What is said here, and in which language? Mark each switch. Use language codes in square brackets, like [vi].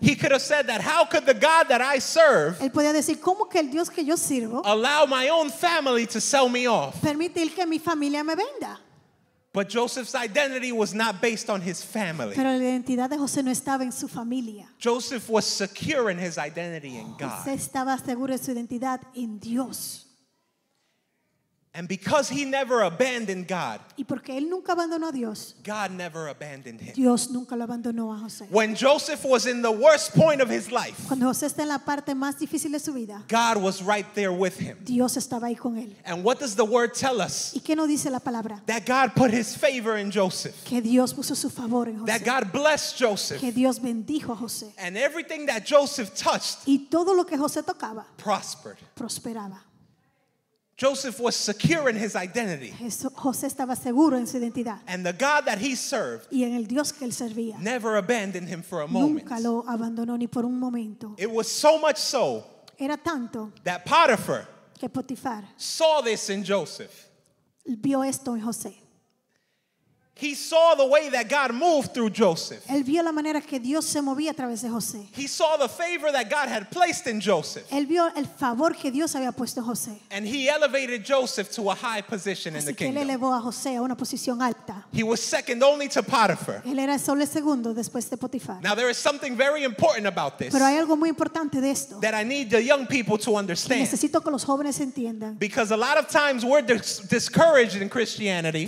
[en] He could have said that, how could the God that I serve. [es] Él podía decir, ¿cómo que el Dios que yo sirvo? [en] Allow my own family to sell me off. [es] Permitir que mi familia me venda. [en] But Joseph's identity was not based on his family. [es] Pero la identidad de José no estaba en su familia. [en] Joseph was secure in his identity in God. [es] José estaba seguro de su identidad en Dios. [en] And because he never abandoned God, [es] y porque él nunca abandonó a Dios, [en] God never abandoned him. [es] Dios nunca lo abandonó a José. [en] When Joseph was in the worst point of his life, [es] cuando José está en la parte más difícil de su vida, [en] God was right there with him. [es] Dios estaba ahí con él. [en] And what does the word tell us? [es] ¿Y qué nos dice la palabra? [en] That God put his favor in Joseph. [es] Que Dios puso su favor en José. [en] That God blessed Joseph. [es] Que Dios bendijo a José. [en] And everything that Joseph touched, [es] y todo lo que José tocaba, [en] prospered. [es] Prosperaba. [en] Joseph was secure in his identity. [es] José estaba seguro en su identidad. [en] And the God that he served, [es] y en el Dios que él servía, [en] never abandoned him for a moment. [es] Nunca lo abandonó ni por un momento. [en] It was so much so, [es] era tanto, [en] that Potiphar, [es] que Potifar, [en] saw this in Joseph. [es] Vio esto en José. [en] He saw the way that God moved through Joseph. [es] Él vio la manera que Dios se movía a través de José. [en] He saw the favor that God had placed in Joseph. [es] Él vio el favor que Dios había puesto en José. [en] And he elevated Joseph to a high position [es] así [en] in the kingdom. [es] Él elevó a José a una posición alta. [en] He was second only to Potiphar. [es] Él era solo el segundo después de Potifar. [en] Now there is something very important about this. [es] Pero hay algo muy importante de esto. [en] That I need the young people to understand. [es] Que necesito que los jóvenes entiendan. [en] Because a lot of times we're discouraged in Christianity.